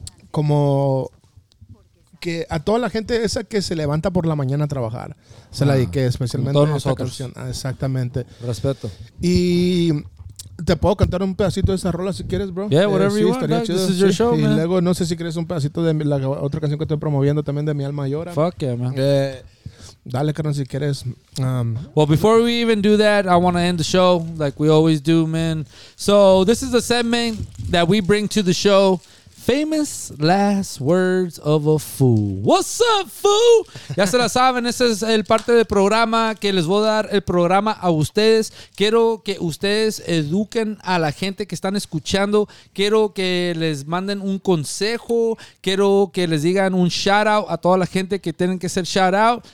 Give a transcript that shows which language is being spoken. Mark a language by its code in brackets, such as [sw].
[es] como que a toda la gente esa que se levanta por la mañana a trabajar. Se la dediqué especialmente a todos nosotros. Canción. Exactamente. Respeto. Y te puedo cantar un pedacito de esa rola si quieres, bro. [en] Yeah, whatever you want. This is your show, [es] y [en] man. [es] Y luego no sé si quieres un pedacito de la otra canción que estoy promoviendo también de Mi Alma Llora. [en] Fuck yeah, man. [es] Dale, carnal, si quieres. [en] Well, before we even do that, I want to end the show like we always do, man. So this is a segment that we bring to the show. Famous last words of a fool. What's up, fool? [es] Ya se la saben, ese es el parte del programa que les voy a dar el programa a ustedes. Quiero que ustedes eduquen a la gente que están escuchando. Quiero que les manden un consejo. Quiero que les digan un shout out a toda la gente que tienen que ser shout out.